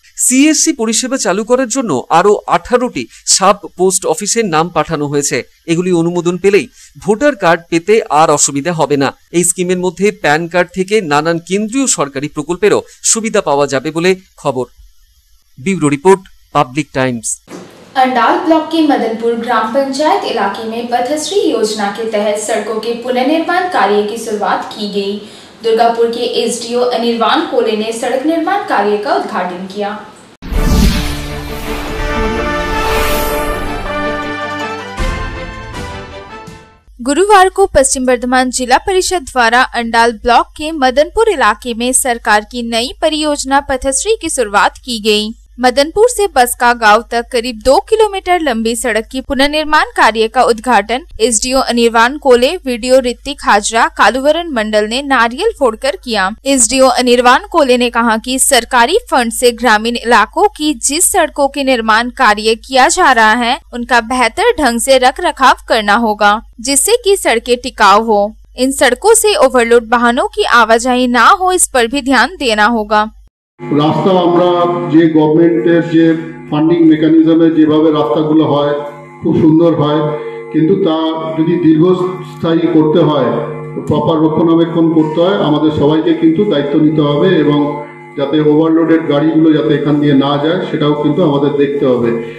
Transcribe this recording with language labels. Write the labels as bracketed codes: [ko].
[bn] CSC পরিষেবা চালু করার জন্য আরও 18টি সাব পোস্ট অফিসের নাম পাঠানো হয়েছে। এগুলি অনুমোদন পেলেই ভোটার কার্ড পেতে আর অসুবিধা হবে না। এই স্কিমের মধ্যে প্যান কার্ড থেকে নানান কেন্দ্রীয় সরকারি প্রকল্পেরও সুবিধা পাওয়া যাবে বলে খবর। Bureau report, public Times. [hi] Andal block के मदनपुर ग्राम पंचायत इलाके में पथश्री योजना के तहत सड़कों के पुनर्निर्माण कार्य की शुरुआत की गई। दुर्गापुर के एसडीओ अनिर्वाण कोले ने सड़क निर्माण कार्य का उद्घाटन किया। गुरुवार को पश्चिम बर्धमान जिला परिषद द्वारा अंडाल ब्लॉक के मदनपुर इलाके में सरकार की नई परियोजना पथश्री की शुरुआत की गई। मदनपुर से बसका गांव तक करीब 2 किलोमीटर लंबी सड़क की पुनर्निर्माण कार्य का उद्घाटन एसडीओ अनिर्वाण कोले, वीडियो ऋतिक हाजरा, कालुवरण मंडल ने नारियल फोड़कर किया। एसडीओ अनिर्वाण कोले ने कहा कि सरकारी फंड से ग्रामीण इलाकों की जिस सड़कों के निर्माण कार्य किया जा रहा है उनका बेहतर ढंग से रखरखाव करना होगा जिससे कि सड़कें टिकाऊ हो। इन सड़कों से ओवरलोड वाहनों की आवाजाही ना हो इस पर भी ध्यान देना होगा। [bn] রাস্তা আমরা যে গভর্নমেন্টের যে ফান্ডিং মেকানিজমে যেভাবে রাস্তাগুলো হয় খুব সুন্দর হয়, কিন্তু তা যদি দীর্ঘস্থায়ী করতে হয়, প্রপার রক্ষণাবেক্ষণ করতে হয়, আমাদের সবাইকে কিন্তু দায়িত্ব নিতে হবে এবং যাতে ওভারলোডেড গাড়িগুলো যাতে এখান দিয়ে না যায় সেটাও কিন্তু আমাদের দেখতে হবে।